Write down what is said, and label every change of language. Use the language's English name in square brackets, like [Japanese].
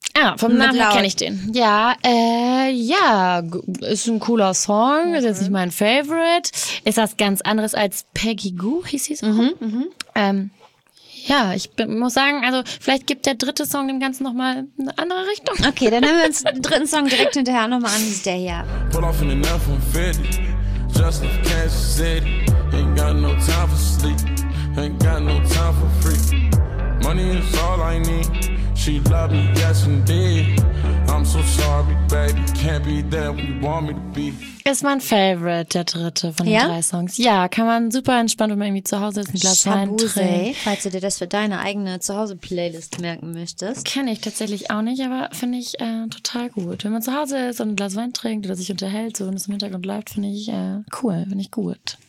[German] Ah, von Mac Miller kenne ich den. Ja, ja, ist ein cooler Song, ist jetzt nicht mein Favorite. Ist das ganz anderes als Peggy Gu, hieß sie so? Ja, ich muss sagen, also vielleicht gibt der dritte Song dem Ganzen nochmal eine andere Richtung. Okay, dann nehmen wir uns den dritten Song direkt hinterher nochmal an, ist der hier. [English] Pull off in the night from 50, just in Kansas City. Ain't got no time for sleep, ain't got no time for free. Money is all I need, she love me, yes indeed. I'm so sorry, baby, can't be there when you want me to be. [German] Ist mein Favorite, der dritte von den drei Songs. Ja, kann man super entspannt, wenn man irgendwie zu Hause ist, ein Glas Wein trinkt. Falls du dir das für deine eigene Zuhause-Playlist merken möchtest. Kenne ich tatsächlich auch nicht, aber finde ich total gut. Wenn man zu Hause ist und ein Glas Wein trinkt oder sich unterhält, so wenn es im Hintergrund läuft, finde ich cool, finde ich gut.